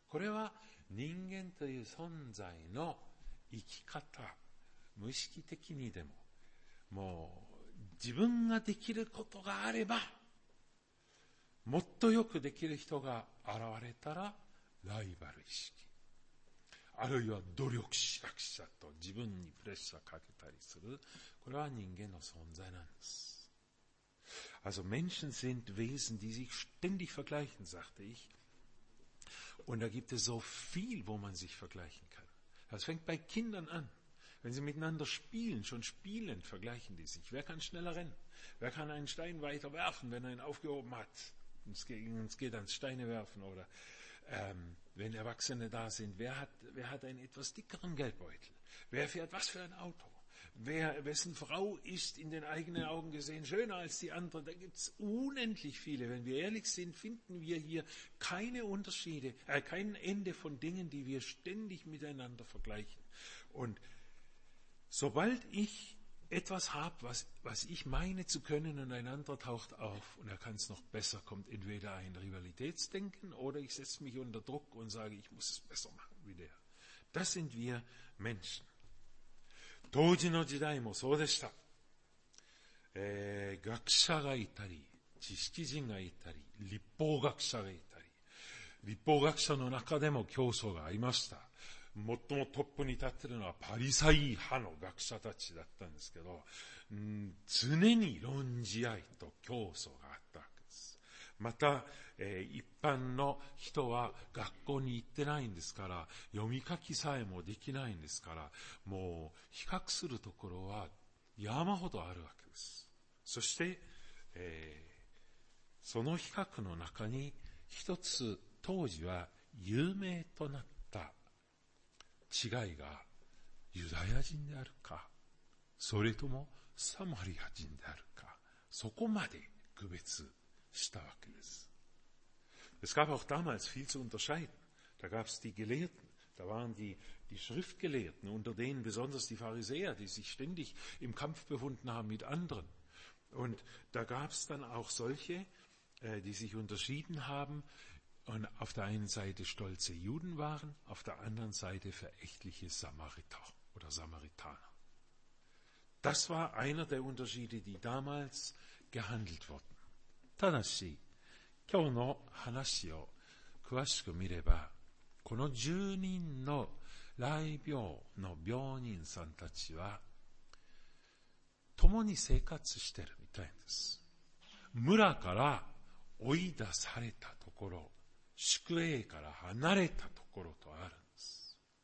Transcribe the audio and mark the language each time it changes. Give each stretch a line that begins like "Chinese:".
Japanese: これは人間という存在の生き方、無意識的にでも、もう自分ができることがあればもっとよくできる人が現れたらライバル意識、あるいは努力しなくちゃと自分にプレッシャーかけたりする、これは人間の存在なんです。
German: Also Menschen sind Wesen, die sich ständig vergleichen, sagte ich. Und da gibt es so viel, wo man sich vergleichen kann. Das fängt bei Kindern an. Wenn sie miteinander spielen, schon spielend vergleichen die sich. Wer kann schneller rennen? Wer kann einen Stein weiter werfen, wenn er ihn aufgehoben hat? Uns geht ans Steine werfen. Oder wenn Erwachsene da sind, wer hat einen etwas dickeren Geldbeutel? Wer fährt was für ein Auto? Wessen Frau ist in den eigenen Augen gesehen schöner als die andere? Da gibt es unendlich viele. Wenn wir ehrlich sind, finden wir hier keine Unterschiede, kein Ende von Dingen, die wir ständig miteinander vergleichen. Und sobald ich etwas habe, was ich meine zu können, und ein anderer taucht auf und er kann es noch besser, kommt entweder ein Rivalitätsdenken oder ich setze mich unter Druck und sage, ich muss es besser machen wie der. Das sind wir Menschen.
Japanese: 当時の時代もそうでした。学者がいたり、知識人がいたり、立法学者がいたり、立法学者の中でも競争がありました。最もトップに立っているのはパリサイ派の学者たちだったんですけど、常に論じ合いと競争があったわけです。また、一般の人は学校に行ってないんですから、読み書きさえもできないんですから、もう比較するところは山ほどあるわけです。そして、その比較の中に一つ当時は有名となった違いがユダヤ人であるか、それともサマリア人であるか、そこまで区別したわけです。
German: Es gab auch damals viel zu unterscheiden. Da gab es die Gelehrten, da waren die Schriftgelehrten, unter denen besonders die Pharisäer, die sich ständig im Kampf befunden haben mit anderen. Und da gab es dann auch solche, die sich unterschieden haben, und auf der einen Seite stolze Juden waren, auf der anderen Seite verächtliche Samariter oder Samaritaner. Das war einer der Unterschiede, die damals gehandelt wurden.
Japanese: ただし、今日の話を詳しく見れば、この10人の雷病の病人さんたちは、共に生活してるみたいです。村から追い出されたところ、宿営から離れたところとあるんです。